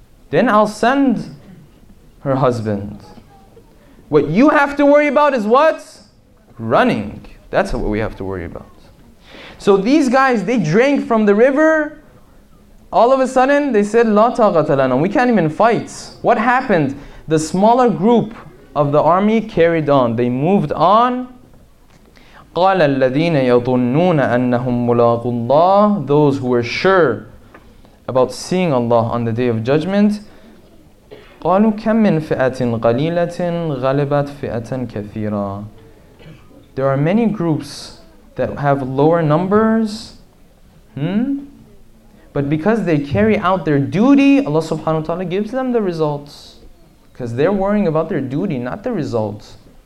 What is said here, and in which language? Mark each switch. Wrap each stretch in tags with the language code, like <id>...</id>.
<en>Then I'll send her husband. What you have to worry about is what? Running. That's what we have to worry about. So these guys, they drank from the river. All of a sudden, they said,</en> <ar>لا طاقة لنا.</ar> <en>We can't even fight. What happened? The smaller group of the army carried on. They moved on.</en> <ar>قال الذين يظنون أنهم ملاقو الله.</ar> <en>Those who were sure about seeing Allah on the Day of Judgment.</en> <ar>قالوا كم من فئة قليلة غلبت فئة كثيرة.</ar> <en>There are many groups that have lower numbers. But because they carry out their duty, Allah subhanahu wa ta'ala gives them the results. Because they're worrying about their duty, not the results.</en>